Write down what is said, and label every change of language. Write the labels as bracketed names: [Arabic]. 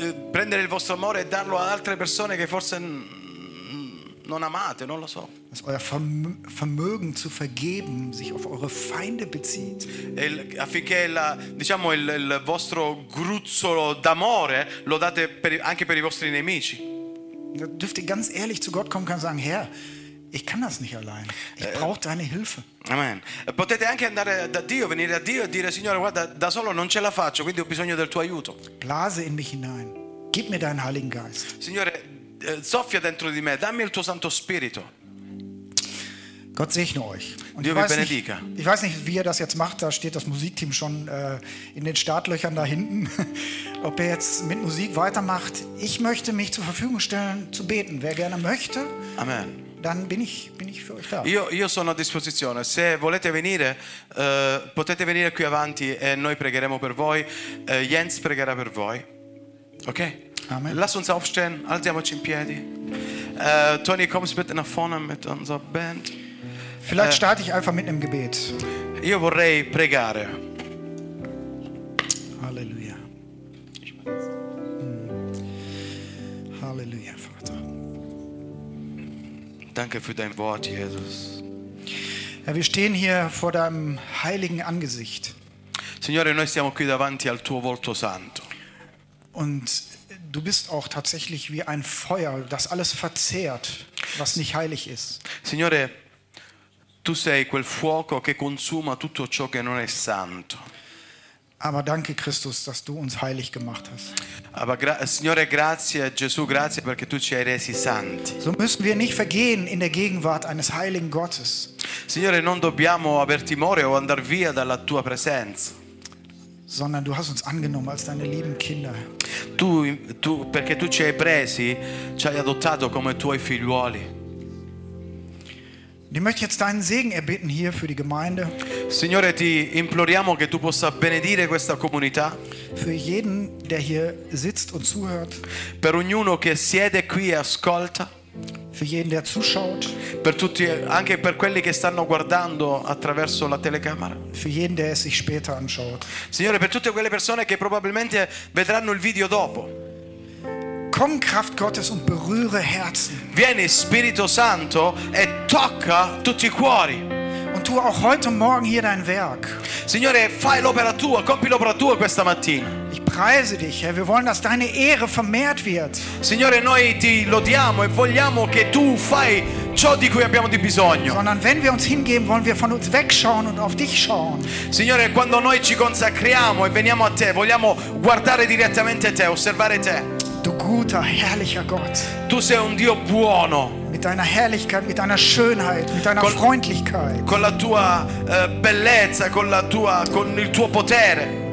[Italian] Prendere il vostro amore e darlo ad altre persone che forse non amate, non lo so. [German] Dass euer Vermögen zu vergeben sich auf eure Feinde bezieht. [Italian] Affinché il vostro gruzzolo d'amore lo date anche per i vostri nemici. [German] Da dürft ihr ganz ehrlich zu Gott kommen und sagen, Herr, ich kann das nicht allein. Ich brauche deine Hilfe. Amen. [Italian] Potete anche andare da Dio, venire a Dio e dire, Signore, guarda, da solo non ce la faccio, quindi ho bisogno del tuo aiuto. [German] Blase in mich hinein. Gib mir deinen Heiligen Geist. [Italian] Signore, soffia dentro di me, dammi il tuo Santo Spirito. [German] Gott segne euch. [Italian] Und Dio vi benedica. [German] Ich weiß nicht, wie er das jetzt macht, da steht das Musikteam schon in den Startlöchern da hinten. Ob er jetzt mit Musik weitermacht. Ich möchte mich zur Verfügung stellen, zu beten. Wer gerne möchte, Amen. Dann bin ich für euch da. [Italian] Io sono a disposizione. Se volete venire, potete venire qui avanti e noi pregheremo per voi. Jens pregherà per voi. Ok? Amen. [German] Lass uns aufstehen, [Italian] alziamoci in piedi. [German] Tony, kommst bitte nach vorne mit unserer Band. Vielleicht starte ich einfach mit einem Gebet. [Italian] Io vorrei pregare. Halleluja. [German] Halleluja, Vater. Danke für dein Wort, Jesus. Ja, wir stehen hier vor deinem heiligen Angesicht. [Italian] Signore, noi stiamo qui davanti al tuo volto santo. [German] Und du bist auch tatsächlich wie ein Feuer, das alles verzehrt, was nicht heilig ist. [Italian] Signore, tu sei quel fuoco che consuma tutto ciò che non è santo. [German] Aber danke Christus, dass du uns heilig gemacht hast. [Italian] Aber Signore, grazie Gesù, grazie perché tu ci hai resi santi. [German] So müssen wir nicht vergehen in der Gegenwart eines heiligen Gottes. [Italian] Signore, non dobbiamo aver timore o andar via dalla tua presenza. [German] Sondern du hast uns angenommen als deine lieben Kinder. [Italian] Tu perché tu ci hai presi, ci hai adottato come tuoi figliuoli. [German] Ich möchte jetzt deinen Segen erbitten hier für die Gemeinde. [Italian] Signore, ti imploriamo che tu possa benedire questa comunità. [German] Für jeden, der hier sitzt und zuhört. [Italian] Per ognuno che siede qui e ascolta. [German] Für jeden, der zuschaut. [Italian] Per tutti, anche per quelli che stanno guardando attraverso la telecamera. [German] Für jeden, der es sich später anschaut. [Italian] Signore, per tutte quelle persone che probabilmente vedranno il video dopo. [German] Komm Kraft Gottes und berühre Herzen. [Italian] Vieni Spirito Santo e tocca tutti i cuori. [German] Und tu auch heute morgen hier dein Werk. [Italian] Signore, fai l'opera tua, compi l'opera tua questa mattina. [German] Ich preise dich, Herr. Wir wollen, dass deine Ehre vermehrt wird. [Italian] Signore, noi ti lodiamo e vogliamo che tu fai ciò di cui abbiamo di bisogno. [German] Sondern wenn wir uns hingeben, wollen wir von uns wegschauen und auf dich schauen. [Italian] Signore, quando noi ci consacriamo e veniamo a te, vogliamo guardare direttamente te, osservare te. [German] Du guter, herrlicher Gott. [Italian] Tu sei un Dio buono. [German] Mit deiner Herrlichkeit, mit deiner Schönheit, mit deiner Freundlichkeit. [Italian] Con la tua bellezza, con il tuo potere.